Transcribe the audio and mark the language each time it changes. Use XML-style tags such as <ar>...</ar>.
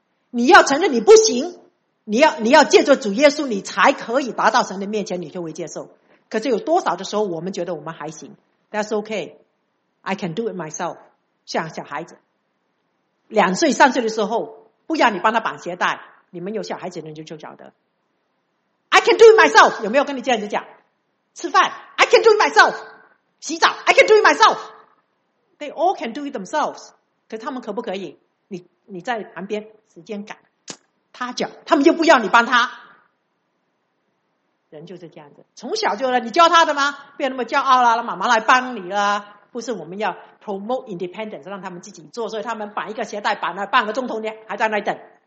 <zh>你要承认你不行，你要借着主耶稣，你才可以达到神的面前，你就会接受。可是有多少的时候我们觉得我们还行，</zh> <en>That's okay, I can do it myself。</en> <zh>像小孩子两岁三岁的时候，不要你帮他绑鞋带，你们有小孩子的人就晓得</zh> <en>I can do it myself。</en> <zh>有没有跟你这样子讲？吃饭</zh> <en>I can do it myself，</en> <zh>洗澡 I can do it myself。</zh> <en>They all can do it themselves。</en> <zh>可是他们可不可以，你在旁边时间赶他脚，他们又不要你帮他。人就是这样子，从小就你教他的吗？不要那么骄傲啦，妈妈来帮你啦。不是，我们要</zh> <en>promote independence，</en> <zh>让他们自己做。所以他们绑一个鞋带绑了半个钟头，你还在那等。</zh>